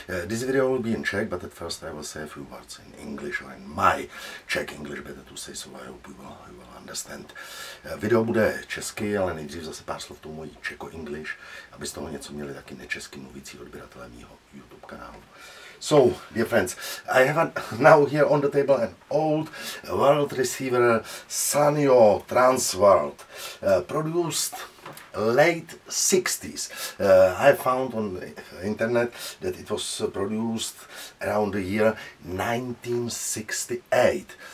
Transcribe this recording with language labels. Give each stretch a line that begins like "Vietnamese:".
English: This video will be in Czech, but at first I will say a few words in English or in my Czech English, better to say, so I hope you will understand.
Czech: Video bude česky, ale nejdřív zase pár slov tomu mojí
English: Czech English,
Czech: aby z toho něco měli taky nečesky mluvící odběratelé mýho YouTube kanálu.
English: So, dear friends, I have now here on the table an old world receiver, Sanyo Transworld, produced late 60s. I found on the internet that it was produced around the year 1968.